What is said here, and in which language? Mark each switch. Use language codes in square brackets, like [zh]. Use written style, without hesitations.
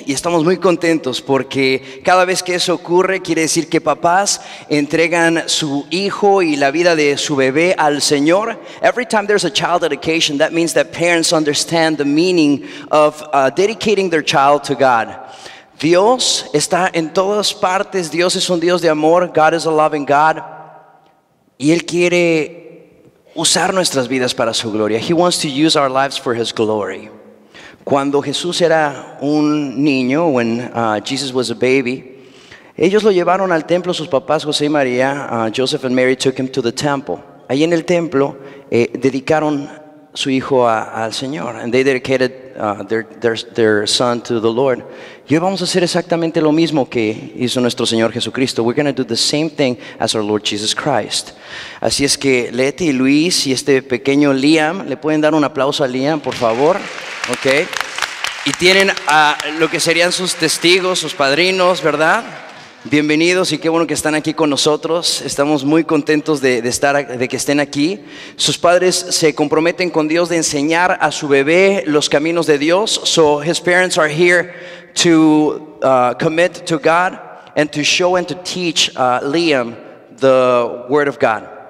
[es] Y estamos muy contentos porque cada vez que eso ocurre, quiere decir que papás entregan su hijo y la vida de su bebé al Señor. [en] Every time there's a child dedication, that means that parents understand the meaning of dedicating their child to God. [es] Dios está en todas partes. Dios es un Dios de amor. [en] God is a loving God. [es] Y Él quiere usar nuestras vidas para su gloria. [en] He wants to use our lives for his glory. [es] Cuando Jesús era un niño, [en] when Jesus was a baby, [es] ellos lo llevaron al templo, sus papás, José y María, [en] Joseph and Mary took him to the temple. [es] Ahí en el templo, dedicaron su hijo al Señor. [en] And they dedicated their son to the Lord. [es] Y hoy vamos a hacer exactamente lo mismo que hizo nuestro Señor Jesucristo. [en] We're going to do the same thing as our Lord Jesus Christ. [es] Así es que Leti, Luis y este pequeño Liam, ¿le pueden dar un aplauso a Liam, por favor? Okay. Y tienen a lo que serían sus testigos, sus padrinos, ¿verdad? Bienvenidos y qué bueno que están aquí con nosotros. Estamos muy contentos de que estén aquí. Sus padres se comprometen con Dios de enseñar a su bebé los caminos de Dios. [en] So his parents are here to commit to God and to show and to teach Liam the word of God.